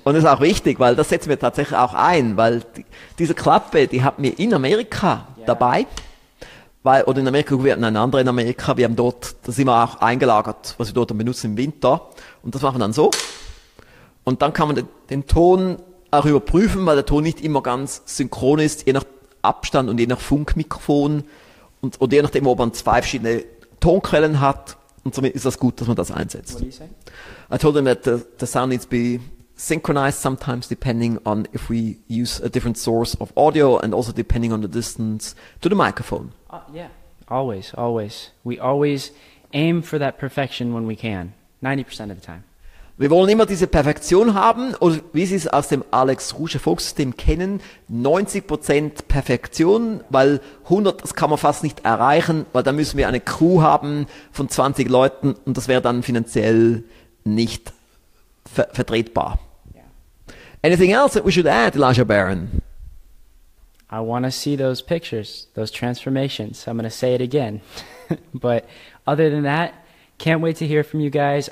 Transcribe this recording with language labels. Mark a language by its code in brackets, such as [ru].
[de] Und das ist auch wichtig, weil das setzen wir tatsächlich auch ein, weil diese Klappe, die hat mir in Amerika dabei, weil, oder in Amerika, wir hatten eine andere in Amerika, wir haben dort, da sind wir auch eingelagert, was wir dort dann benutzen im Winter. Und das machen wir dann so. Und dann kann man den Ton auch überprüfen, weil der Ton nicht immer ganz synchron ist, je nach Abstand und je nach Funkmikrofon und je nachdem, ob man 2 verschiedene Tonquellen hat, und somit ist das gut, dass man das einsetzt. [en] What do you say? I told him that the sound needs to be synchronized sometimes, depending on if we use a different source of audio and also depending on the distance to the microphone. Yeah, always, always. We always aim for that perfection when we can, 90% of the time. [de] Wir wollen immer diese Perfektion haben, und wie Sie es aus dem Alex Rouge Erfolgssystem kennen, 90% Perfektion, weil 100, das kann man fast nicht erreichen, weil dann müssen wir eine Crew haben von 20 Leuten, und das wäre dann finanziell nicht vertretbar. [en] Yeah. Anything else that we should add, Elijah Barron? I want to see those pictures, those transformations. I'm going to say it again. But other than that, can't wait to hear from you guys.